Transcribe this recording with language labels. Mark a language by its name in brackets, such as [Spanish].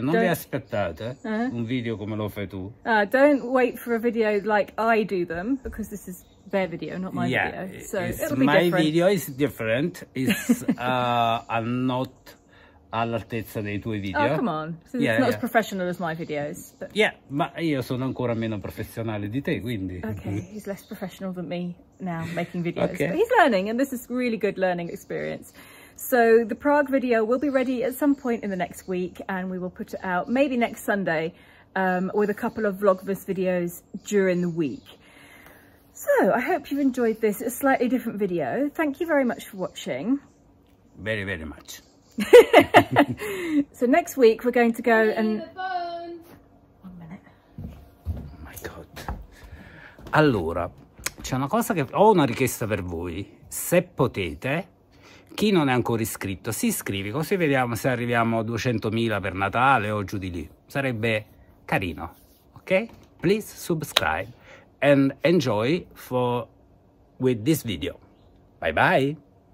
[Italian] vi aspettate un video come lo fai tu. [English] Don't wait for a video like I do them, because this is their video, not my video. So it'll be different. My video is different. It's not [Italian] all'altezza dei tuoi video. [English] Oh, come on. So it's not as professional as my videos. But... [Italian] Yeah, ma io sono ancora meno professionale di te, quindi. [English] Okay, he's less professional than me now making videos. Okay. But he's learning, and this is really good learning experience. So the Prague video will be ready at some point in the next week, and we will put it out maybe next Sunday with a couple of Vlogmas videos during the week. So I hope you've enjoyed this, a slightly different video. Thank you very much for watching. Very, very much. So next week we're going to go and... The phone. 1 minute. Oh my God. [Italian] Allora, c'è una cosa che... Ho una richiesta per voi. Se potete... Chi non è ancora iscritto, si iscrivi, così vediamo se arriviamo a 200.000 per Natale o giù di lì. Sarebbe carino, ok? [English] Please subscribe and enjoy with this video. Bye bye!